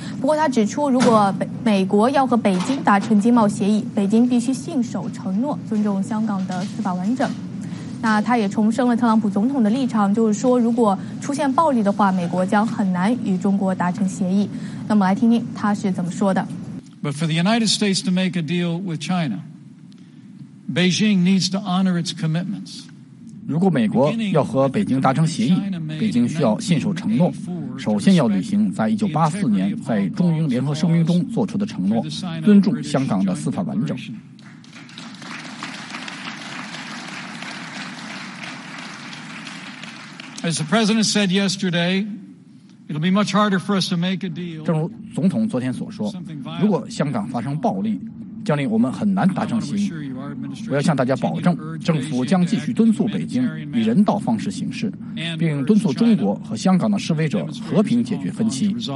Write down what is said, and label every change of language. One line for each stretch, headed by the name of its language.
Chinese: 不过他指出，如果美国要和北京达成经贸协议，北京必须信守承诺，尊重香港的司法完整。那他也重申了特朗普总统的立场，就是说如果出现暴力的话，美国将很难与中国达成协议。那么来听听他是怎么说的。
English: But for the United States to make a deal with China, Beijing needs to honor its commitments.
Chinese: 如果美国要和北京达成协议，北京需要信守承诺，首先要履行在1984年在中英联合声明中做出的承诺，尊重香港的司法完整。
English: As the President said yesterday,It'll be much harder for us to make a deal.
Chinese: 正如总统昨天所说，如果香港发生暴力，将令我们很难达成协议。我要向大家保证，政府将继续敦促北京以人道方式行事，并敦促中国和香港的示威者和平解决分歧。